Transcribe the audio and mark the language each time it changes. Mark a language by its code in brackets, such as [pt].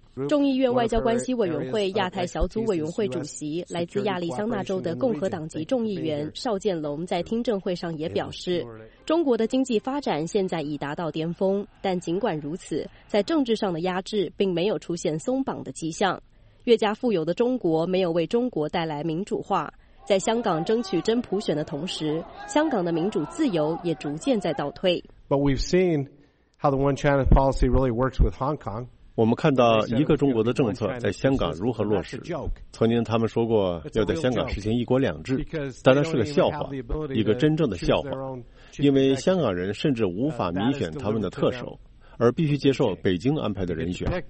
[zh] 众议院外交关系委员会亚太小组委员会主席、来自亚利桑那州的共和党籍众议员邵建龙在听证会上也表示，中国的经济发展现在已达到巅峰，但尽管如此，在政治上的压制并没有出现松绑的迹象。越加富有的中国没有为中国带来民主化，在香港争取真普选的同时，香港的民主自由也逐渐在倒退。 [en] But we've seen how the One China policy really works with Hong Kong. [zh] 我们看到一个中国的政策在香港如何落实。曾经他们说过要在香港实行一国两制，但那是个笑话，一个真正的笑话，因为香港人甚至无法民选他们的特首，而必须接受北京安排的人选。